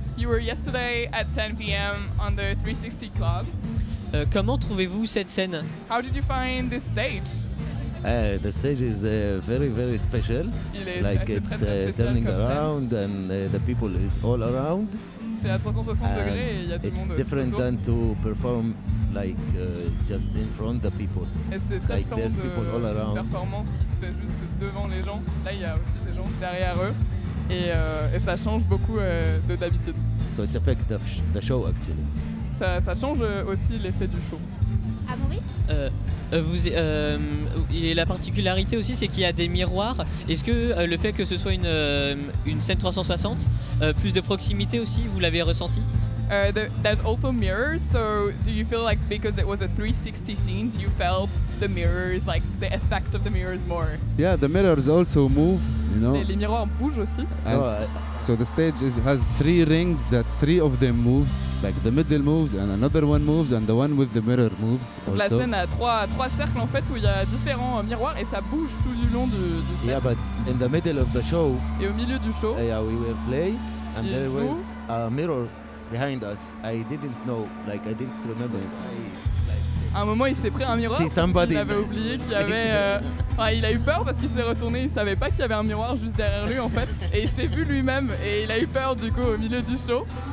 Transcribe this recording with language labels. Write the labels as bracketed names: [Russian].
[English] You were yesterday at 10 p.m. on the 360 Club. [French] Comment trouvez-vous cette scène? [English] How did you find this stage? The stage is very very special. It's turning around and the people is all around. [French] C'est à 360 degrés et il y a tout le monde. [English] It's different [French] tout [English] than to perform like just in front of the people. [French] Et c'est très [English] like [French] différent de la performance qui se fait juste devant les gens. Là, il y a aussi des gens derrière eux et ça change beaucoup de d'habitude. [English] So it affects the show actually. [French] Ça change aussi l'effet du show. Ah bon, oui. Et la particularité aussi, c'est qu'il y a des miroirs. Est-ce que le fait que ce soit une scène 360, plus de proximité aussi, vous l'avez ressenti? [English] There's also mirrors. So do you feel like because it was a 360 scene, you felt the mirrors, like the effect of the mirrors more? Yeah, the mirrors also move. You know. [French] Les miroirs bougent aussi. [English] So the stage has three rings that three of them moves, like the middle moves and another one moves and the one with the mirror moves also. [French] La scène a trois cercles en fait où il y a différents miroirs et ça bouge tout du long du set. [English] Yeah, but in the middle of the show. [French] Et au milieu du show. [English] Yeah, we were play and there was a mirror behind us. I didn't know, like I didn't remember. [French] À un moment, il s'est pris un miroir. [English] Somebody, [French] il avait oublié qu'il y avait. Enfin, il a eu peur parce qu'il s'est retourné. Il savait pas qu'il y avait un miroir juste derrière lui en fait. Et il s'est vu lui-même. Et il a eu peur du coup au milieu du show.